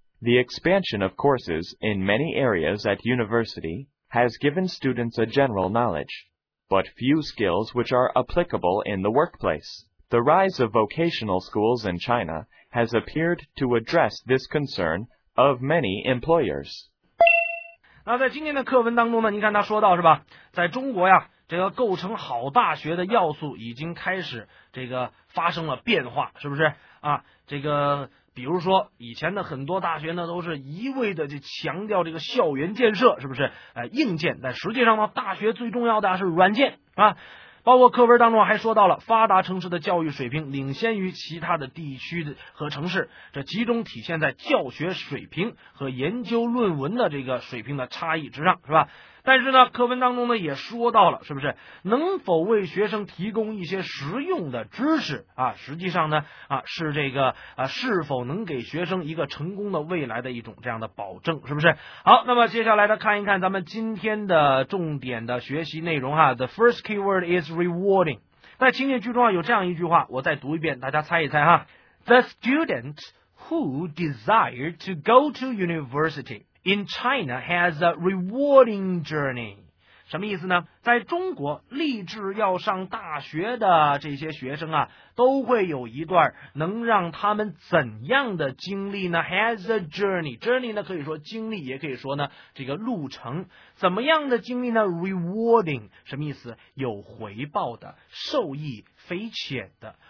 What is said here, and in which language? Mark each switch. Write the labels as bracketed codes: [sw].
[en] The expansion of courses in many areas at university has given students a general knowledge, but few skills which are applicable in the workplace. The rise of vocational schools in China. has appeared to address this concern of many employers. [zh] 那在今天的课文当中呢，您看他说到是吧，在中国呀，这个构成好大学的要素已经开始这个发生了变化，是不是啊？这个比如说以前的很多大学呢都是一味的就强调这个校园建设，是不是硬件，但实际上呢大学最重要的是软件啊。包括课文当中还说到了发达城市的教育水平领先于其他的地区和城市，这集中体现在教学水平和研究论文的这个水平的差异之上，是吧？但是呢课文当中呢也说到了，是不是能否为学生提供一些实用的知识啊，实际上呢啊是这个啊是否能给学生一个成功的未来的一种这样的保证，是不是？好，那么接下来呢看一看咱们今天的重点的学习内容哈。 [en] The first keyword is rewarding. [zh] 在情景剧中啊有这样一句话，我再读一遍大家猜一猜哈。 [en] The student who desired to go to universityIn China has a rewarding journey. [zh] 什么意思呢？在中国立志要上大学的这些学生啊，都会有一段能让他们怎样的经历呢？ Has a journey. Journey 呢可以说经历，也可以说呢这个路程。怎么样的经历呢？Rewarding. 什么意思？有回报的，受益匪浅的。